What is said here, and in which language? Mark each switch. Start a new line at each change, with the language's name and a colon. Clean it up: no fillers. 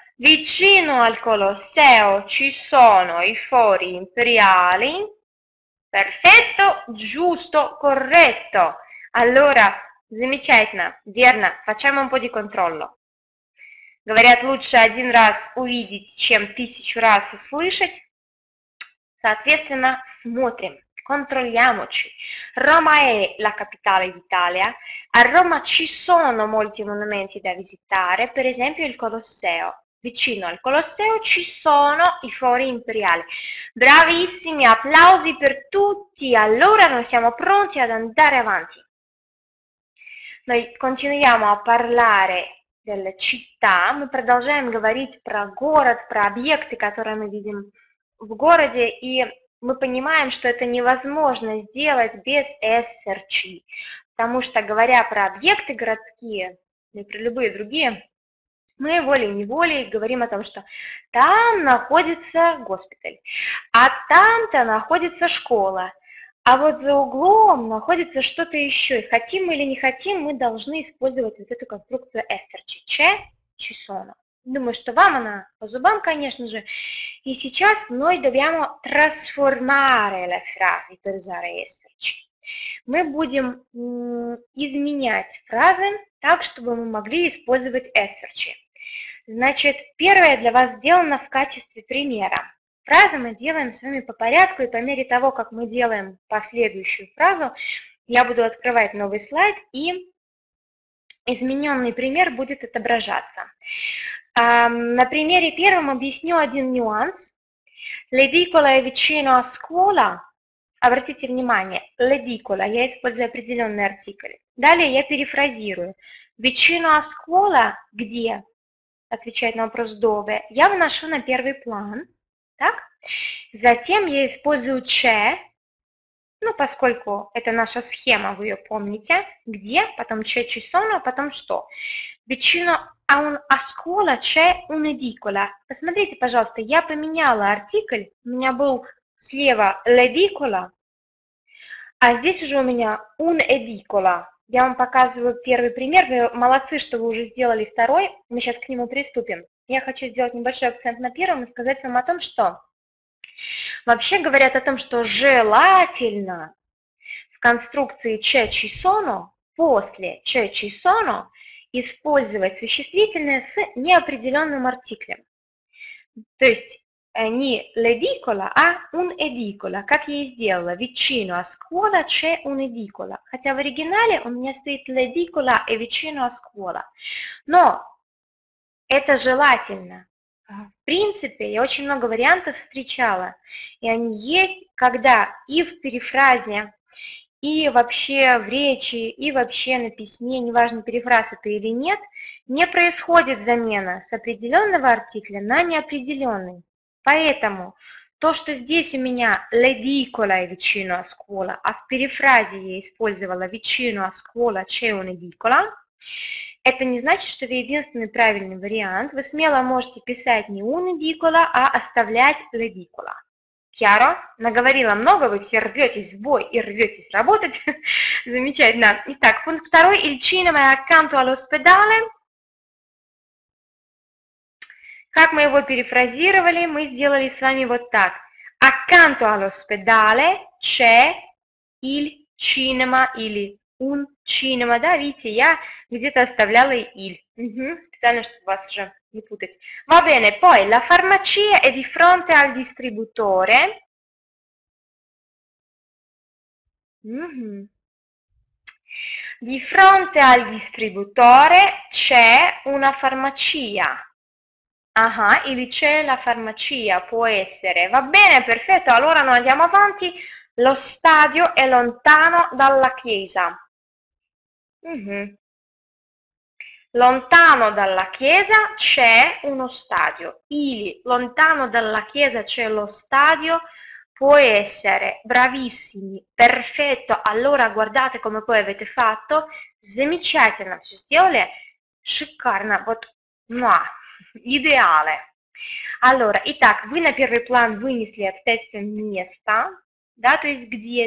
Italian: Vicino al Colosseo ci sono i fori imperiali. Perfetto, giusto, corretto. Allora,
Russian: замечательно, верно,
Italian: facciamo un po' di controllo.
Russian: Говорят, лучше один раз увидеть, чем тысячу раз услышать. Соответственно, смотрим.
Italian: Controlliamoci. Roma è la capitale d'Italia. A Roma ci sono molti monumenti da visitare, per esempio il Colosseo. Vicino al Colosseo ci sono i Fori Imperiali. Bravissimi, applausi per tutti. Allora noi siamo pronti ad andare avanti. Noi continuiamo a parlare delle città.
Russian: Мы продолжаем говорить про город, про объекты, которые мы видим в городе и мы понимаем, что это невозможно сделать без SRC, потому что говоря про объекты городские, или про любые другие, мы волей-неволей говорим о том, что там находится госпиталь, а там-то находится школа, а вот за углом находится что-то еще. И хотим мы или не хотим, мы должны использовать вот эту конструкцию SRC. Че, чесона. Думаю, что вам она по зубам, конечно же. И сейчас
Italian: noi dobbiamo trasformare le frasi per usare SRC.
Russian: Мы будем изменять фразы так, чтобы мы могли использовать SRC. Значит, первое для вас сделано в качестве примера. Фразы мы делаем с вами по порядку, и по мере того, как мы делаем последующую фразу, я буду открывать новый слайд и измененный пример будет отображаться. На примере первом объясню один нюанс.
Italian: L'edicola è vicino a scuola.
Russian: Обратите внимание, l'edicola, я использую определенный артикль. Далее я перефразирую.
Italian: Vicino a scuola, где?
Russian: Отвечает на вопрос dove. Я выношу на первый план. Так? Затем я использую c, ну, поскольку это наша схема, вы ее помните. Где? Потом c часовно, потом что?
Italian: Vicino a scuola c'è un'edicola.
Russian: Посмотрите, пожалуйста, я поменяла артикль. У меня был слева l'edicola, а здесь уже у меня un'edicola. Я вам показываю первый пример. Вы молодцы, что вы уже сделали второй. Мы сейчас к нему приступим. Я хочу сделать небольшой акцент на первом и сказать вам о том, что вообще говорят о том, что желательно в конструкции
Italian: che ci sono,
Russian: после che ci sono, использовать существительное с неопределенным артиклем. То есть не l'edicola, а un'edicola, как я и сделала.
Italian: Vicino a scuola c'è un'edicola.
Russian: Хотя в оригинале у меня стоит
Italian: l'edicola e vicino a scuola.
Russian: Но это желательно. В принципе, я очень много вариантов встречала, и они есть, когда и в перефразе, и вообще в речи, и вообще на письме, неважно, перефраз это или нет, не происходит замена с определенного артикля на неопределенный. Поэтому то, что здесь у меня
Italian: l'edicola è vicino a scuola,
Russian: а в перефразе я использовала
Italian: vicino a scuola c'è un'edicola,
Russian: это не значит, что это единственный правильный вариант. Вы смело можете писать не un'edicola, а оставлять l'edicola.
Italian: Chiaro?
Russian: Наговорила много, вы все рветесь в бой и рветесь работать. Замечательно. Итак, пункт второй.
Italian: Il cinema è accanto all'ospedale.
Russian: Как мы его перефразировали? Мы сделали с вами вот так.
Italian: Accanto all'ospedale c'è il cinema или un cinema.
Russian: Да, видите, я где-то оставляла il. Специально, чтобы вас уже не путать.
Italian: Va bene, poi la farmacia è di fronte al distributore. Di fronte al distributore c'è una farmacia. E lì c'è la farmacia, può essere. Va bene, perfetto, allora noi andiamo avanti. Lo stadio è lontano dalla chiesa. Lontano dalla chiesa c'è uno stadio. Ili, lontano dalla chiesa c'è lo stadio, può essere. Bravissimi, perfetto. Allora guardate come poi avete fatto.
Russian: Замечательно,
Italian: ci stiamo
Russian: шикарно, вот, муа. Идеале. Allora, итак, вы на первый план вынесли обстоятельное место, да, то есть где?